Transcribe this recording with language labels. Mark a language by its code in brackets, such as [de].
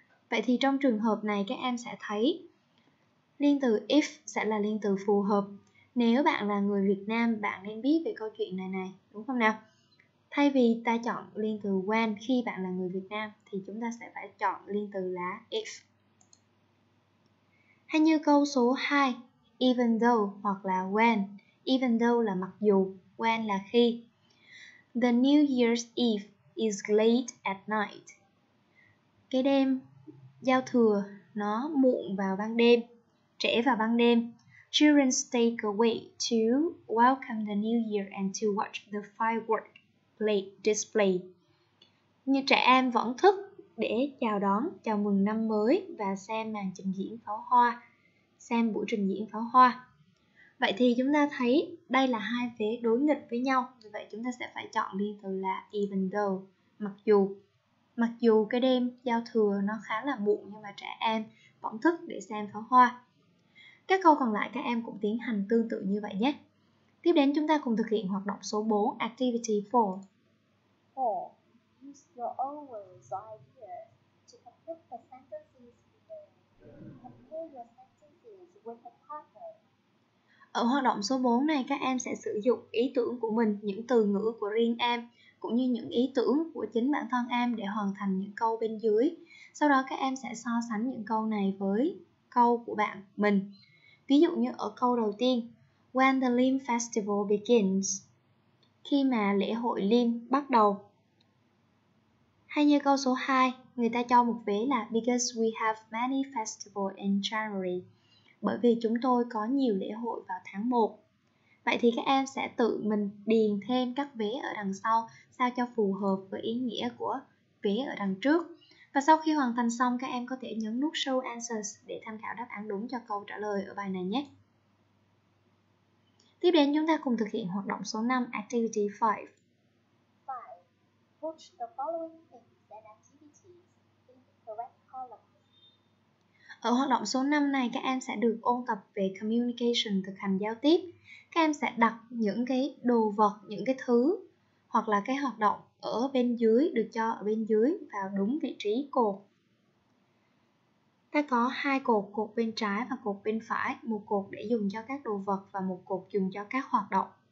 [vi] Vậy thì trong trường hợp này, các em sẽ thấy liên từ if sẽ là liên từ phù hợp. Nếu bạn là người Việt Nam, bạn nên biết về câu chuyện này này, đúng không nào? Thay vì ta chọn liên từ when khi bạn là người Việt Nam thì chúng ta sẽ phải chọn liên từ là if. Hay như câu số 2, even though hoặc là when. Even though là mặc dù, when là khi. [en] The New Year's Eve is late at night. [vi] Cái đêm giao thừa nó muộn vào ban đêm, trễ vào ban đêm. [en] Children stay awake to welcome the new year and to watch the firework display. [vi] Như trẻ em vẫn thức để chào đón, chào mừng năm mới và xem màn trình diễn pháo hoa, xem buổi trình diễn pháo hoa. Vậy thì chúng ta thấy đây là hai vế đối nghịch với nhau, vì vậy chúng ta sẽ phải chọn liên từ là even though, mặc dù. Mặc dù cái đêm giao thừa nó khá là muộn nhưng mà trẻ em vẫn thức để xem pháo hoa. Các câu còn lại các em cũng tiến hành tương tự như vậy nhé. Tiếp đến chúng ta cùng thực hiện hoạt động số 4, activity 4. 4. [en] Use your own words or ideas to complete the sentences with them. Compare your sentences with the pattern. [vi] Ở hoạt động số 4 này, các em sẽ sử dụng ý tưởng của mình, những từ ngữ của riêng em, cũng như những ý tưởng của chính bản thân em để hoàn thành những câu bên dưới. Sau đó các em sẽ so sánh những câu này với câu của bạn mình. Ví dụ như ở câu đầu tiên, [en] when the Lim Festival begins, [vi] khi mà lễ hội Lim bắt đầu. Hay như câu số 2, người ta cho một vế là [en] because we have many festivals in January, [vi] bởi vì chúng tôi có nhiều lễ hội vào tháng 1. Vậy thì các em sẽ tự mình điền thêm các vế ở đằng sau sao cho phù hợp với ý nghĩa của vế ở đằng trước. Và sau khi hoàn thành xong, các em có thể nhấn nút Show Answers để tham khảo đáp án đúng cho câu trả lời ở bài này nhé. Tiếp đến chúng ta cùng thực hiện hoạt động số 5, Activity 5. 5. [en] Put the following things and activities in the correct column. [vi] Ở hoạt động số 5 này, các em sẽ được ôn tập về communication, thực hành giao tiếp. Các em sẽ đặt những cái đồ vật, những cái thứ hoặc là cái hoạt động ở bên dưới, được cho ở bên dưới vào đúng vị trí cột. Ta có hai cột, cột bên trái và cột bên phải. Một cột để dùng cho các đồ vật và một cột dùng cho các hoạt động.